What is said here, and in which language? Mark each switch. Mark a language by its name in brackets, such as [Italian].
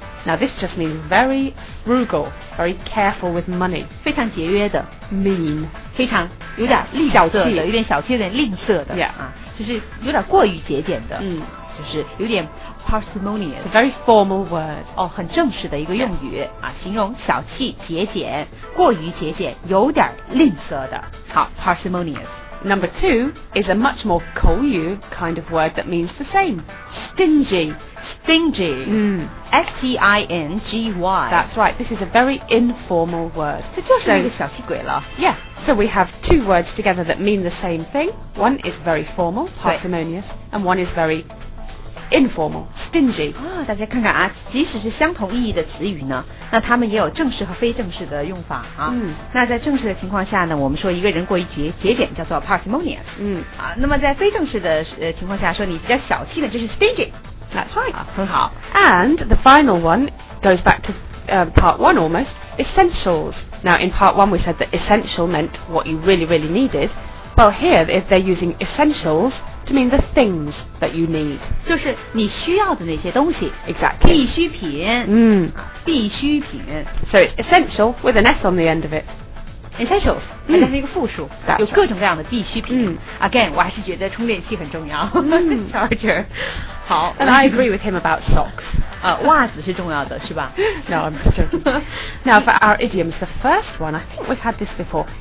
[English] Now this just means very frugal, very careful with money. [Chinese] 非常节约的。 [English] Mean. [Chinese] 非常有点吝小气的，有点小气，有点吝啬的。 [English] Yeah. [Chinese] 就是有点过于节俭的。嗯。就是有点 parsimonious, [English] a very formal word. [Chinese] 哦，很正式的一个用语、yeah. 啊，形容小气、节俭、过于节俭、有点吝啬的。 [English] 好 ，parsimonious. Number two is a much more [Chinese] 口语 [English] kind of word that means the same. Stingy, stingy. 嗯，S-T-I-N-G-Y. That's right. This is a very informal word. [Chinese] 这就是一个小气鬼了。 [English] Yeah. So we have two words together that mean the same thing. One is very formal, parsimonious, and one is very informal, stingy. [Chinese] 大家看看啊，即使是相同意义的词语呢，那他们也有正式和非正式的用法啊。嗯。那在正式的情况下呢，我们说一个人过于节俭叫做 parsimonious。嗯。啊，那么在非正式的情况下，说你比较小气的就是 stingy。 [English] That's right. [Chinese] 很好。 [English] And the final one goes back to part one almost. Essentials. Now in part one we said that essential meant what you really really needed. Well here if they're using essentials. To mean the things that you need. [Chinese] 就是你需要的那些东西。 [English] Exactly. [Chinese] 必需品。 Mm. 必需品。 [English] So it's essential with an S on the end of it. [Chinese] Essentials. 它是一个复数。 [English] That's [Chinese] 有各种各样的必需品。 Mm. [English] Again, [Chinese] 我还是觉得充电器很重要。 Mm. [English] Charger. [Chinese] 好。 [English] And I agree with him about socks. [Chinese] 袜子是重要的是吧 [English] No, I'm just joking. Now for our idioms, the first one, I think we've had this before.